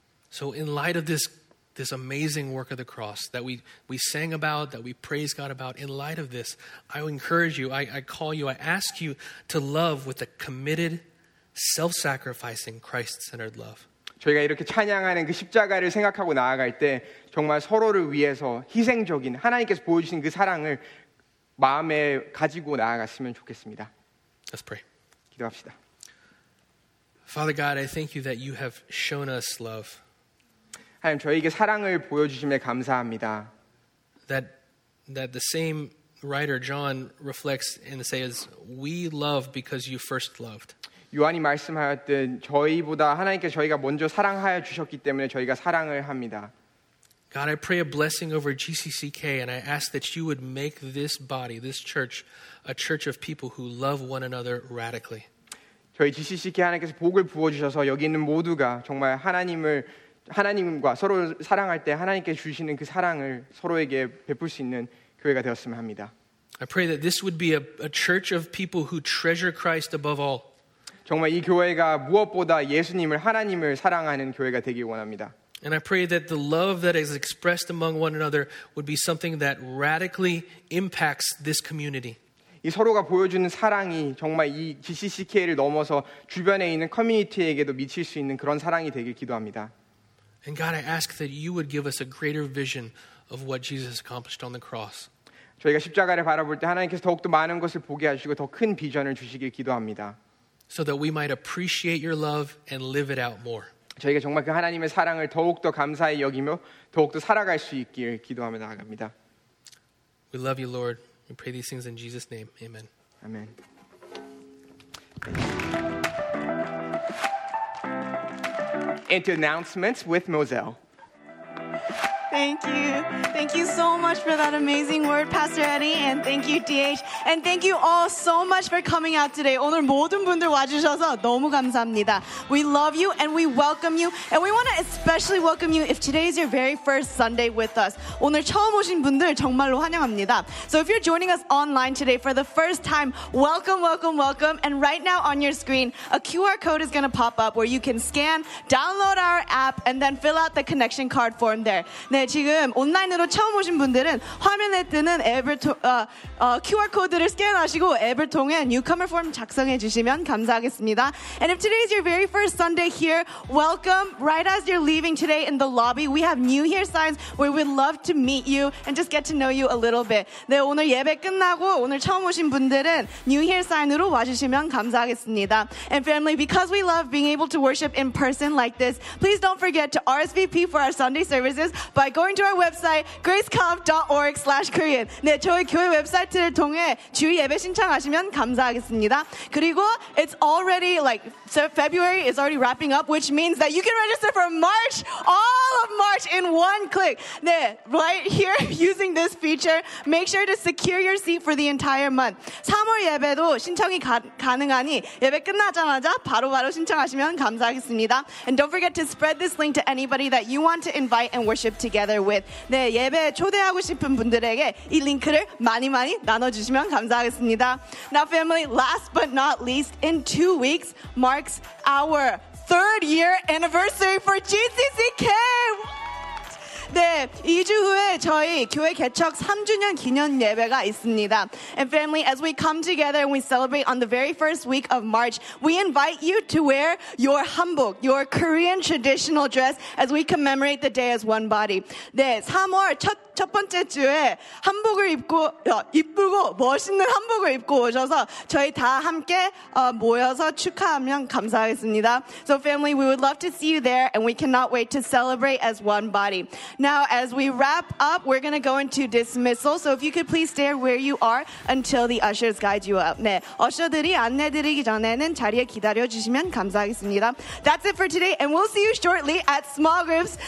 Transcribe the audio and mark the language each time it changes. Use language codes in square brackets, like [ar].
[en] So in light of this amazing work of the cross that we sang about, that we praise God about, in light of this, I encourage you, I call you, I ask you to love with a committed, self-sacrificing, Christ-centered love. [ko] 저희가 이렇게 찬양하는 그 십자가를 생각하고 나아갈 때 정말 서로를 위해서 희생적인 하나님께서 보여주신 그 사랑을 마음에 가지고 나아갔으면 좋겠습니다. [en] Let's pray. [ko] 기도합시다. [en] Father God, I thank you that you have shown us love. [ko] 하나님 저희에게 사랑을 보여주심에 감사합니다. [en] That the same writer John reflects and says, "We love because you first loved." [ko] 요한이 말씀하였던 저희보다 하나님께 저희가 먼저 사랑하여 주셨기 때문에 저희가 사랑을 합니다. [en] God, I pray a blessing over GCCK, and I ask that you would make this body, this church, a church of people who love one another radically. [ko] 저희 GCCK 하나님께서 복을 부어주셔서 여기 있는 모두가 정말 하나님과 서로 사랑할 때 하나님께 주시는 그 사랑을 서로에게 베풀 수 있는 교회가 되었으면 합니다. [en] I pray that this would be a church of people who treasure Christ above all. [ko] 정말 이 교회가 무엇보다 예수님을 하나님을 사랑하는 교회가 되길 원합니다. [en] And I pray that the love that is expressed among one another would be something that radically impacts this community. [ko] 이 서로가 보여주는 사랑이 정말 이 GCCK를 넘어서 주변에 있는 커뮤니티에게도 미칠 수 있는 그런 사랑이 되길 기도합니다. [en] And God, I ask that you would give us a greater vision of what Jesus accomplished on the cross. [ko] 저희가 십자가를 바라볼 때 하나님께서 더욱더 많은 것을 보게 하시고 더 큰 비전을 주시길 기도합니다. [en] So that we might appreciate your love and live it out more. [ko] 저희가 정말 그 하나님의 사랑을 더욱더 감사히 여기며 더욱더 살아갈 수 있기를 기도하며 나아갑니다. [en] We love you, Lord. We pray these things in Jesus' name. Amen. Amen. Into announcements with Moselle. Thank you. Thank you so much for that amazing word, Pastor Eddie. And thank you, DH. And thank you all so much for coming out today. [ko] 오늘 모든 분들 와주셔서 너무 감사합니다. [en] We love you and we welcome you. And we want to especially welcome you if today is your very first Sunday with us. [ko] 오늘 처음 오신 분들 정말로 환영합니다. [en] So if you're joining us online today for the first time, welcome, welcome, welcome. And right now on your screen, a QR code is going to pop up where you can scan, download our app, and then fill out the connection card form there. [ko] 네, 지금 온라인으로 처음 오신 분들은 화면에 뜨는 앱을 QR코드를 스캔하시고 앱을 통해 [en] newcomer form [ko] 작성해 주시면 감사하겠습니다. [en] And if today is your very first Sunday here, welcome. Right as you're leaving today in the lobby, we have new here signs where we'd love to meet you and just get to know you a little bit. [ko] 네, 오늘 예배 끝나고 오늘 처음 오신 분들은 [en] new here sign [ko] 으로 와주시면 감사하겠습니다. [en] And family, because we love being able to worship in person like this, please don't forget to RSVP for our Sunday services by going to our website, graceconf.org/Korean. [ko] 네, 저희 교회 웹사이트를 통해 주 예배 신청하시면 감사하겠습니다. 그리고 [en] it's already like, so February is already wrapping up, which means that you can register for March, all of March in one click. 네, right here using this feature, make sure to secure your seat for the entire month. [ko] 3월 예배도 신청이 가능하니 예배 끝나자마자 바로 신청하시면 감사하겠습니다. [en] And don't forget to spread this link to anybody that you want to invite and worship together with. [ko] 네, 예배 초대하고 싶은 분들에게 이 링크를 많이 나눠주시면 감사하겠습니다. [en] Now family, last but not least, in 2 weeks marks our 3rd year anniversary for GCCK! What? [ko] 네, 2주 후에 저희 교회 개척 3주년 기념 예배가 있습니다. [en] And family, as we come together and we celebrate on the very first week of March, we invite you to wear your hanbok, your Korean traditional dress, as we commemorate the day as one body. [ko] 네, 3월 첫 첫 번째 주에 한복을 입고 이쁘고 멋있는 한복을 입고 오셔서 저희 다 함께 모여서 축하하면 감사하겠습니다. [en] So family, we would love to see you there and we cannot wait to celebrate as one body. Now as we wrap up, we're going to go into dismissal. So if you could please stay where you are until the ushers guide you up. [ko] 네. 어셔들이 안내 드리기 전에는 자리에 기다려 주시면 감사하겠습니다. [en] That's it for today and we'll see you shortly at small groups.